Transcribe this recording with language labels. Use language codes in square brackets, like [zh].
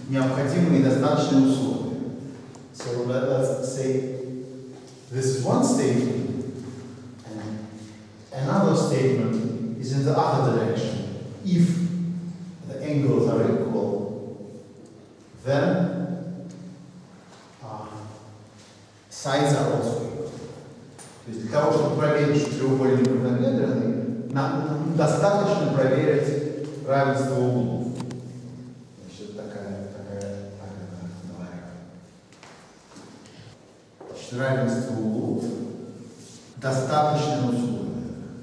[ru] Необходимые и достаточные условия. [en] So let's say this is one statement, and another statement is in the other direction. If the angles are equal, then sides are also equal. [ru] То есть для того, чтобы проверить, что треугольник равномерный, нам достаточно проверить равенство углов. Значит, это такая давай. Значит, равенство углов достаточное условие.